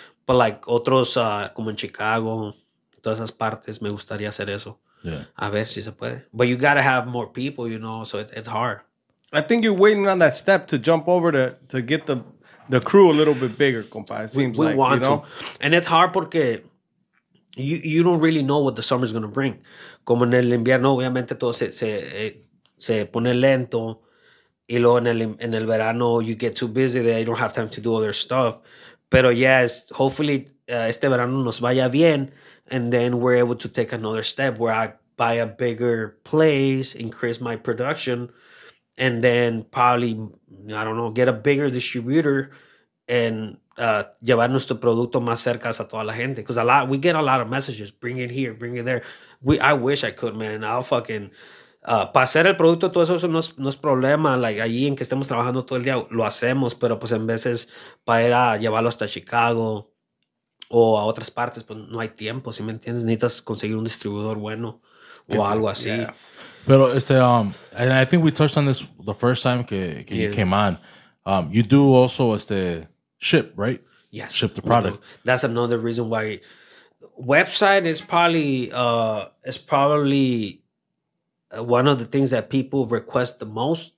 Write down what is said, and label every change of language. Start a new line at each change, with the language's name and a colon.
Spanish: But like otros, como en Chicago, todas esas partes, me gustaría hacer eso.
English: Yeah.
Spanish: A ver si se puede.
English: But you got to have more people, you know, so it's hard. I think you're waiting on that step to jump over to get the crew a little bit bigger, compa. It seems we like, want you know? To. And it's hard porque you don't really know what the summer is going to bring.
Spanish: Como en el invierno, obviamente, todo se pone lento.
English: Y luego en el verano, you get too busy that you don't have time to do other stuff.
Spanish: Pero yes, hopefully, este verano nos vaya bien.
English: And then we're able to take another step where I buy a bigger place, increase my production, and then probably, I don't know, get a bigger distributor and llevar nuestro producto más cerca a toda la gente. Because we get a lot of messages, bring it here, bring it there. I wish I could, man.
Spanish: I'll fucking, para hacer el producto, todo eso no es problema. Like, allí en que estemos trabajando todo el día, lo hacemos. Pero pues en veces para ir a llevarlo hasta Chicago o a otras partes, pues no hay tiempo, si me entiendes. Necesitas conseguir un distribuidor bueno o algo así.
English: Yeah. Pero and I think we touched on this the first time que you came on. You do also ship, right? Yes. Ship the product. That's another reason why website is probably one of the things that people request the most.